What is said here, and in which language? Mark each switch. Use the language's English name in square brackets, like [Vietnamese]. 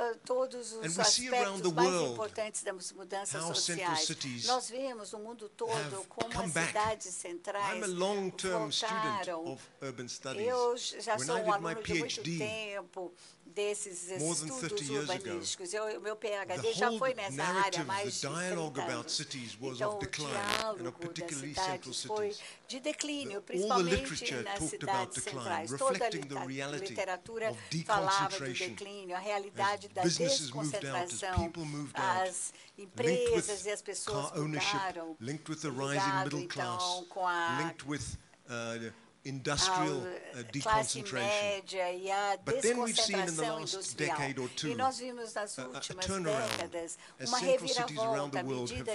[Portuguese] Todos os aspectos mais importantes das mudanças sociais. Nós vemos no mundo todo como as cidades centrais voltaram. [English] I'm a long-term student of urban studies. [Portuguese] Eu já sou um aluno de muito tempo desses estudos urbanísticos. O meu PhD já foi nessa área, mais de 30 anos. Então, o diálogo das cidades foi de declínio, principalmente nas cidades centrais. Toda a literatura falava de declínio, a realidade da desconcentração, as empresas e as pessoas mudaram, [English] linked with the rising middle class, linked with industrial deconcentration. But then we've seen in the last decade or two a turnaround as central cities around the world